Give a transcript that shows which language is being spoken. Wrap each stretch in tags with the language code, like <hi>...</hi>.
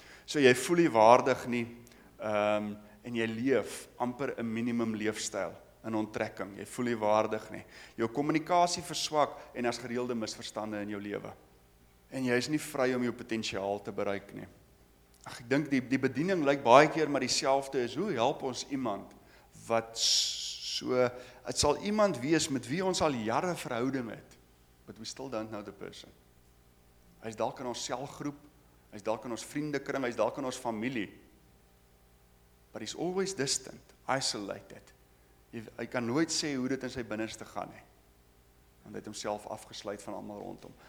<af>So jy voel nie waardig nie, en jy leef amper 'n minimum leefstyl in onttrekking. Jy voel nie waardig nie. Jou kommunikasie verswak en daar's gereelde misverstande in jou lewe. En jy is nie vry om jou potensiaal te bereik nie. Ag, ek dink die bediening lyk baie keer maar dieselfde is. Hoe help ons iemand wat so, dit sal iemand wees met wie ons al jare verhouding het.</af> <en>But we still don't know the person.</en> <af>Hy's dalk in ons selgroep, hy's dalk in ons vriendekring, hy's dalk in ons familie.</af> <en>But he's always distant, isolated.</en> <af>Hy kan nooit sê hoe dit in sy binneste gaan nie. Want hy het homself afgesluit van almal rondom.</af>